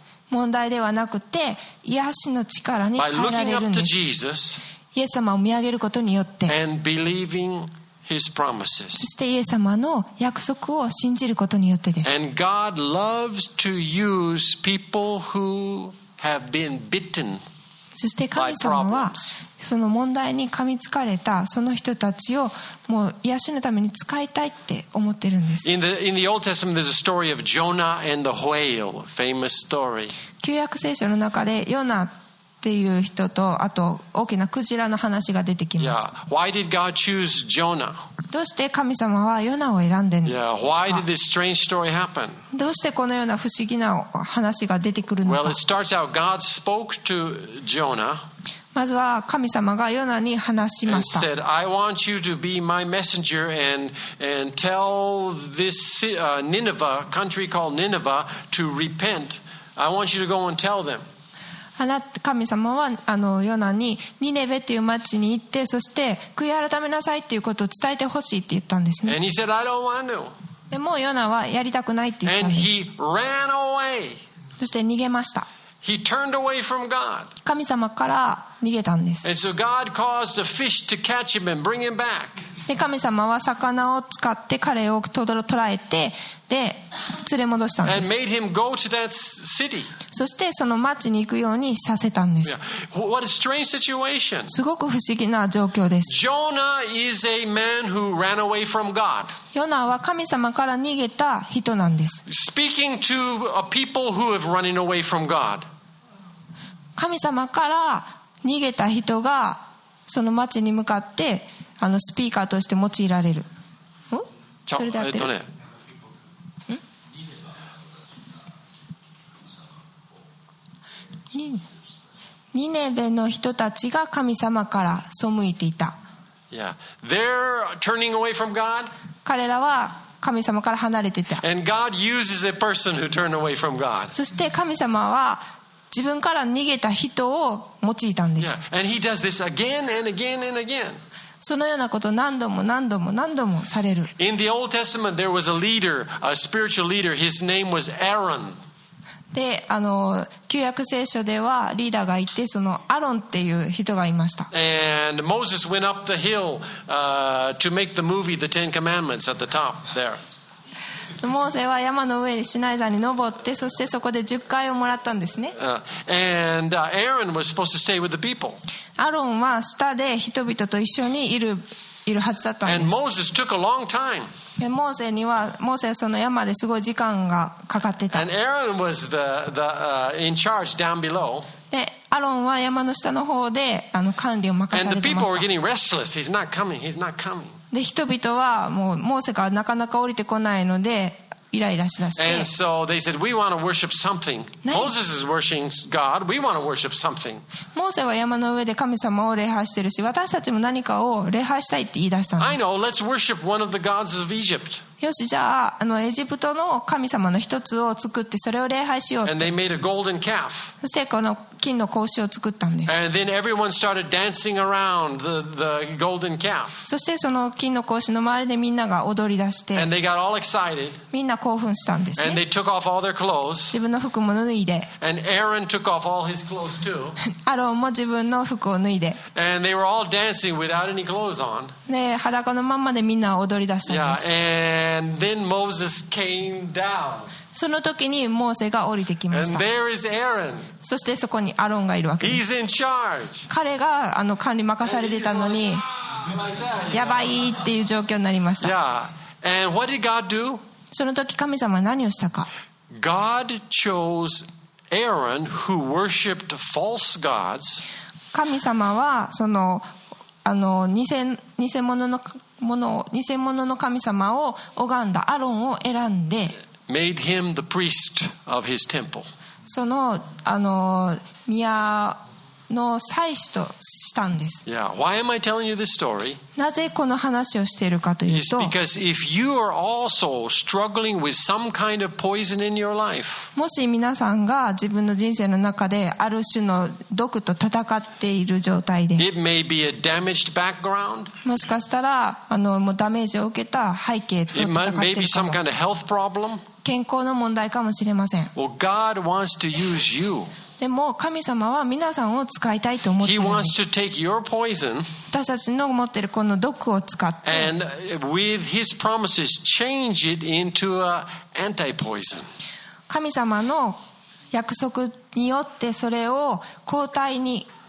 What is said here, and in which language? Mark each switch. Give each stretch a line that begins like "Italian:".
Japanese: 問題ではなくて癒しの力に変えられるんです。イエス様を見上げることによって、そしてイエス様の約束を信じることによってです。
English: And God loves to use people who have been bitten
Japanese: そして神様はその問題に噛みつかれたその人たちをもう癒しのために使いたいって思ってるんです。
English: In the Old Testament there's a story of Jonah and the whale, famous story.
Japanese: 旧約聖書の中でヨナという人と、あと大きなクジラの話が出てきます。
English: Yeah. Why did God choose Jonah?
Japanese: どうして神様はヨナを選んでるのか。
English: Yeah. Why did this strange story happen?
Japanese: どうしてこのような不思議な話が出てくるのか。
English: Well, it starts out God spoke to Jonah.
Japanese: まずは神様がヨナに話しました。
English: And said, I want you to be my messenger and tell this Nineveh, country called Nineveh, to repent. I want you to go and tell them.
Japanese: 神様はあのヨナにニネベという町に行って、そして悔い改めなさいということを伝えてほしいって言ったんですね。
English: And he said, I don't want to.
Japanese: でもヨナはやりたくないって言ったんです。
English: And he ran away.
Japanese: そして逃げました。
English: He turned away from God.
Japanese: 神様から逃げたんです。
English: And so God caused a fish to catch him and bring him back.
Japanese: で神様は魚を使って彼を捕らえて、で連れ戻したんです。
English: And made him go to that city.
Japanese: そしてその町に行くようにさせたんです。
English: Yeah. What a strange situation.
Japanese: すごく不思議な状況です。
English: Jonah is a man who ran away from God.
Japanese: ヨナは神様から逃げた人なんです。
English: Speaking to a people who have running away from God.
Japanese: 神様から逃げた人がその町に向かってあのスピーカーとして用いられる。ん？それであってる。ニネベの人たちが神様から背いていた。
English: Yeah. They're turning away from God.
Japanese: 彼らは神様から離れていた。
English: And God uses a person who turned away from God.
Japanese: そして神様は自分から逃げた人を用いたんです。
English: Yeah. And he does this again and again and again.
Japanese: そのようなことを何度も何度も何度もされる。
English: In the Old Testament, there was a leader, a spiritual leader. His name was Aaron.
Japanese: で、あの、旧約聖書ではリーダーがいて、そのアロンっていう人がいました。
English: And Moses went up the hill, to make the movie The Ten Commandments at the top there.
Japanese: モーセは山の上にシナイ山に登って、そしてそこで10回をもらったんですね。
English: Aaron was supposed to stay with the people.
Japanese: アロンは下で人々と一緒にいるはずだったんです。
English: And Moses took a long time.
Japanese: モーセはその山ですごい時間がかかってた。
English: And Aaron was in charge down below.
Japanese: で、アロンは山の下の方で管理を任されてました。
English: And the people were getting restless. He's not coming. He's not coming.
Japanese: で人々はもうモーセがなかなか降りてこないのでイライラしだして。
English: And so they said, we want to worship something. Moses is worshiping God. We want to worship something.
Japanese: モーセは山の上で神様を礼拝してるし、私たちも何かを礼拝したいって言い出したんです。
English: I know. Let's worship one of the gods of Egypt.
Japanese: よし、じゃあエジプトの神様の一つを作ってそれを礼拝しようって。
English: And they made a golden calf.
Japanese: そしてこの金の格子を作ったんです。
English: And then everyone started dancing around the golden calf.
Japanese: そしてその金の格子の周りでみんなが踊り出して、
English: And they got all excited.
Japanese: みんな興奮したんですね。
English: And they took off all their clothes.
Japanese: 自分の服も脱いで、
English: And Aaron took off all his clothes too.
Japanese: アロンも自分の服を脱いで、
English: And they were all dancing without any clothes on.
Japanese: で、裸のままでみんな踊り出したんです。
English: Yeah. And then Moses came down.
Japanese: その時にモーセが降りてきました。そしてそこにアロンがいるわけです。彼が管理任されていたのに、やばいっていう状況になりました。
English: Yeah. And what did God do?
Japanese: その時神様は何をしたか。
English: God chose Aaron who worshipped false gods.
Japanese: 神様はその偽物の神様を拝んだアロンを選んで。
English: Made him the priest of his temple.
Japanese: その宮の祭司としたんです。
English: Yeah. Why am I telling you this story?
Japanese: なぜこの話をしているかというと、
English: It's because if you are also struggling with some kind of poison in your life,
Japanese: もし皆さんが自分の人生の中である種の毒と戦っている状態で、
English: It may be a damaged background.
Japanese: もしかしたらもうダメージを受けた背景と戦っているかも。
English: It may be some kind of health problem.
Japanese: 健康の問題かもしれません。
English: Well, God wants to use you.
Japanese: でも神様は皆さんを使いたいと思っているんです。
English: He wants to take your poison.
Japanese: 私たちの持っているこの毒を使って。
English: And with His promises, change it into an anti-poison.
Japanese: 神様の約束によってそれを抗体に、